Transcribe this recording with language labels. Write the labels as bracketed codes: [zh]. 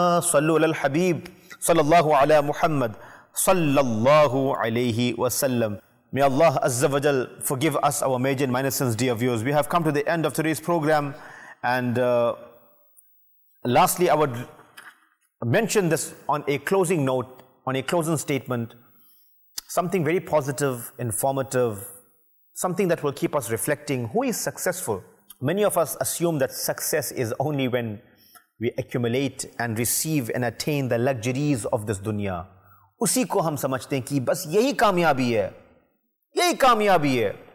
[ar] صلوا علی الحبیب صلی اللہ علی محمد صلی اللہ علیہ وسلم. [en] May Allah Azza wa Jal forgive us our major and minor sins, dear viewers. We have come to the end of today's program. And lastly, I would mention this on a closing note, on a closing statement, something very positive, informative, something that will keep us reflecting. Who is successful? Many of us assume that success is only when we accumulate and receive and attain the luxuries of this dunya. [ur] اسی کو ہم سمجھتے ہیں کہ بس یہی کامیابی ہے, یہی کامیابی ہے.